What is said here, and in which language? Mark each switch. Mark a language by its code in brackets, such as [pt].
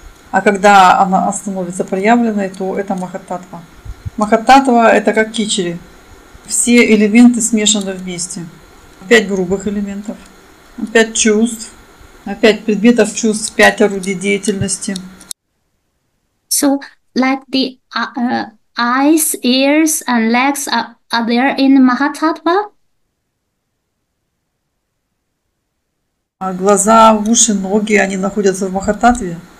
[ru] А когда она становится проявленной, то это Махаттатва. Махаттатва – это как кичери. Все элементы смешаны вместе. 5 грубых элементов, 5 чувств, 5 предметов чувств, 5 орудий деятельности. [en] So, like the eyes, ears and legs are there in Mahatattva? [ru] А глаза, уши, ноги, они находятся в Махаттатве?